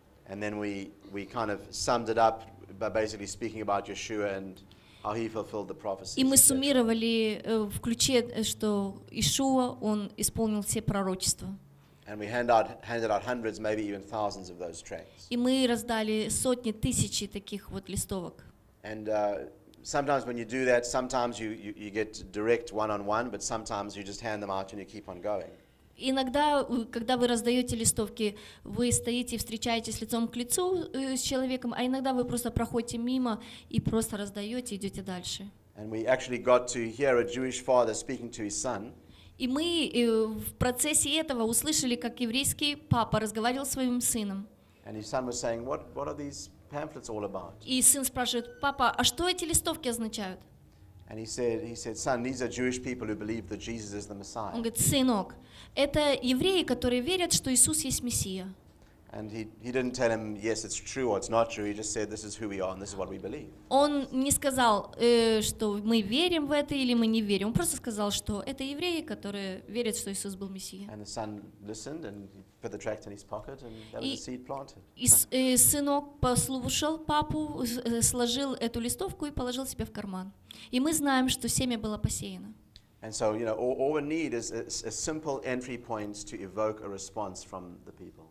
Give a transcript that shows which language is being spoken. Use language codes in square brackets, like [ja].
[en] And then we kind of summed it up by basically speaking about Yeshua and how he fulfilled the prophecies. [ru] И мы суммировали в ключе, что Иешуа, он исполнил все пророчества. [en] And we handed out hundreds, maybe even thousands of those tracts. [ru] И мы раздали сотни, тысячи таких вот листовок. [en] And sometimes when you do that, sometimes you get direct one-on-one, but sometimes you just hand them out and you keep on going. [ru] Иногда, когда вы раздаете листовки, вы стоите и встречаетесь лицом к лицу с человеком, а иногда вы просто проходите мимо и просто раздаете, идете дальше. [en] And we actually got to hear a Jewish father speaking to his son. [ru] И мы в процессе этого услышали, как еврейский папа разговаривал с своим сыном. [en] And his son was saying, what are these pamphlets all about? [ru] И сын спрашивает, папа, а что эти листовки означают? [en] And he said, son, these are Jewish people who believe that Jesus is the Messiah. [ru] Он говорит, сынок, это евреи, которые верят, что Иисус есть Мессия. [en] And he didn't tell him, yes, it's true or it's not true. He just said, this is who we are and this is what we believe. [ru] Он не сказал, что мы верим в это или мы не верим. Он просто сказал, что это евреи, которые верят, что Иисус был Мессия. [en] And the son listened and put the tract in his pocket and that was a seed planted. [ru] И сынок послушал папу, сложил эту листовку и положил себе в карман. И мы знаем, что семя было посеяно. [en] And so, you know, all we need is a simple entry point to evoke a response from the people.